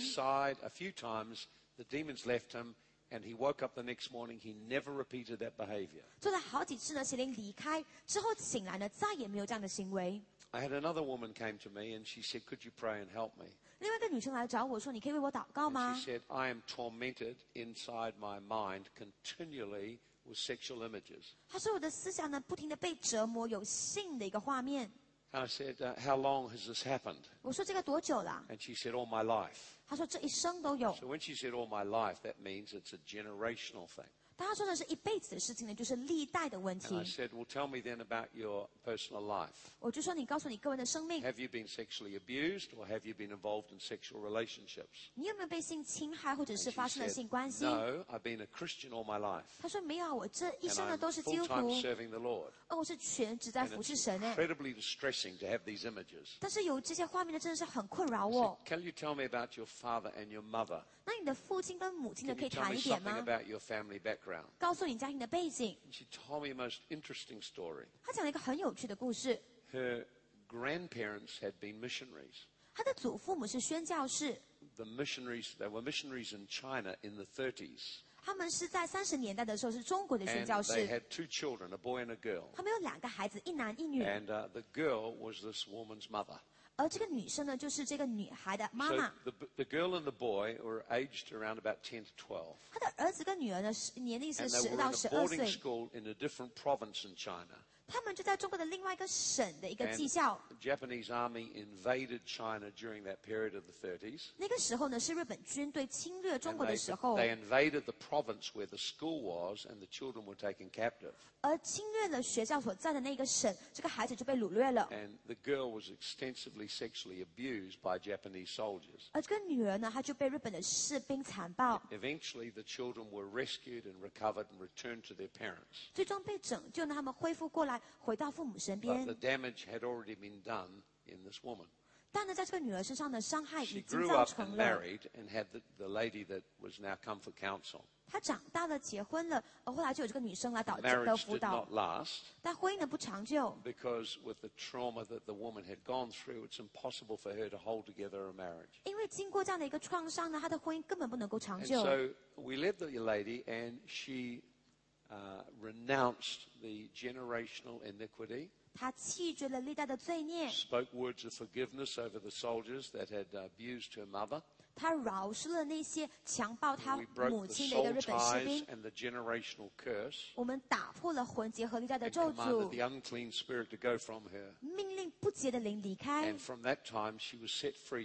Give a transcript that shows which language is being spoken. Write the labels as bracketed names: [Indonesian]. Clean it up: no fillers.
[English] He sighed a few times, the demons left him, and he woke up the next morning. He never repeated that behavior. [Chinese] 做了好几次呢，邪灵离开之后醒来呢，再也没有这样的行为。 [English] I had another woman came to me, and she said, "Could you pray and help me?" [Chinese] 另外一个女生来找我说，你可以为我祷告吗 [English] ？She said, "I am tormented inside my mind continually." With sexual images. [Chinese] 他说我的思想呢，不停地被折磨，有性的一个画面。 [English] And I said, "How long has this happened?" [Chinese] 我说这个多久了 [English] ？And she said, "All my life." [Chinese] 他说这一生都有。 [English] So when she said, "All my life," that means it's a generational thing. [Chinese] 当他说的是一辈子的事情呢，就是历代的问题。 [English] And I said, well, tell me then about your personal life. [Chinese] 我就说你告诉你个人的生命。 [English] Have you been sexually abused or have you been involved in sexual relationships? [Chinese] 你有没有被性侵害或者是发生了性关系？ [English] And she said, no, I've been a Christian all my life. [Chinese] 他说没有啊，我这一生呢都是基督徒。 [English] And I'm full-time serving the Lord. [Chinese] 哦，我是全职在服侍神呢。 [English] And it's incredibly distressing to have these images. [Chinese] 但是有这些画面呢，真的是很困扰我。 [English] Can you tell me about your father and your mother? [Chinese] 那你的父亲跟母亲呢，可以谈一点吗？ [English] Can you tell me something about your family background? [Chinese] 告诉你家庭的背景。 [English] She told me a most interesting story. [Chinese] 她讲了一个很有趣的故事。 [English] Her grandparents had been missionaries. [Chinese] 她的祖父母是宣教士。 [English] The missionaries, they were missionaries in China in the 30s. [Chinese] 他们是在三十年代的时候是中国的宣教士。 [English] And they had two children, a boy and a girl. [Chinese] 他们有两个孩子，一男一女。 [English] And the girl was this woman's mother. [Chinese] 而这个女生呢，就是这个女孩的妈妈。 [English] The girl and the boy were aged around about 10 to 12. [Chinese] 她的儿子跟女儿呢，年龄是十到十二岁。 [English] And they were in a boarding school in a different province in China. [Chinese] 他们就在中国的另外一个省的一个技校。 [English] And the Japanese army invaded China during that period of the 30s. [Chinese] 那个时候呢，是日本军队侵略中国的时候。 [English] They invaded the province where the school was, and the children were taken captive. [Chinese] 而侵略了学校所在的那个省，这个孩子就被掳掠了。 [English] And the girl was extensively sexually abused by Japanese soldiers. [Chinese] 而这个女儿呢，她就被日本的士兵残暴。 [English] Eventually, the children were rescued and recovered and returned to their parents. [Chinese] 最终被拯救呢，他们恢复过来，回到父母身边。 [English] But the damage had already been done in this woman. [Chinese] 但呢，在这个女儿身上的伤害已经造成 [English] 了。She grew up and married and had the lady that was now come for counsel. [Chinese] 她长大了，结婚了，后来就有这个女生来祷告辅导。但婚姻呢不长久。 [English] Because with the trauma that the woman had gone through, it's impossible for her to hold together a marriage. [Chinese] 因为经过这样的一个创伤呢，她的婚姻根本不能够长久。 [English] And so we led the lady, and she renounced the generational iniquity. [Chinese] 她弃绝了历代的罪孽。 [English] Spoke words of forgiveness over the soldiers that had abused her mother. [Chinese] 他饶恕了那些强暴他母亲的一个日本士兵。 [English] And the generational curse, [Chinese] 我们打破了魂结和历代的咒诅。 [English] And the unclean spirit to go from her. [Chinese] 命令不洁的灵离开。 [English] And from that time, she was set free.